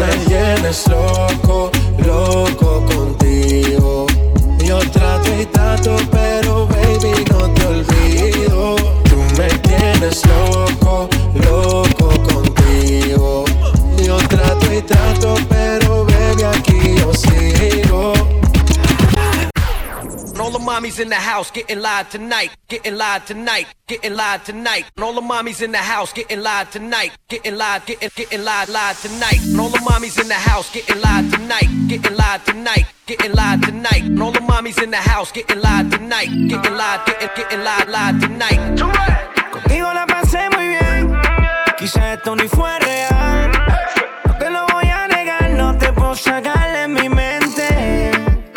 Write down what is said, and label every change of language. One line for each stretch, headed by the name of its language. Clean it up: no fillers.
Spanish: Tú me tienes loco, loco contigo. Yo trato y trato, pero baby, no te olvido. Tú me tienes loco, loco contigo. Yo trato y trato, pero baby, aquí yo sigo.
English: All the mommies in the house getting live tonight, getting live tonight, getting live tonight. And all the mommies in the house getting live tonight, getting live, getting live, live tonight. And all the mommies in the house getting live tonight, getting live tonight, getting live tonight. And all the mommies in the house getting live tonight, getting live, getting live, live tonight.
Spanish: Contigo la pasé muy bien, quizá esto ni fue real. No te lo voy a negar, no te puedo sacar de mi mente.